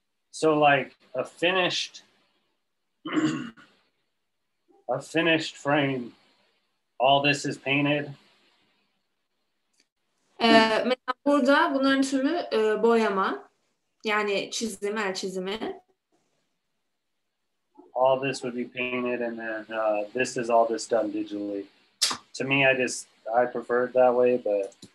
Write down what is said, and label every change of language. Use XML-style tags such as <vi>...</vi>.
<en>So like a finished frame, all this is painted.</en> <tr>Mesela burada bunların tümü boyama, yani çizim, el çizimi.</tr> <en>All this would be painted, and then this is all this done digitally. To me, I prefer it that way, but.</en>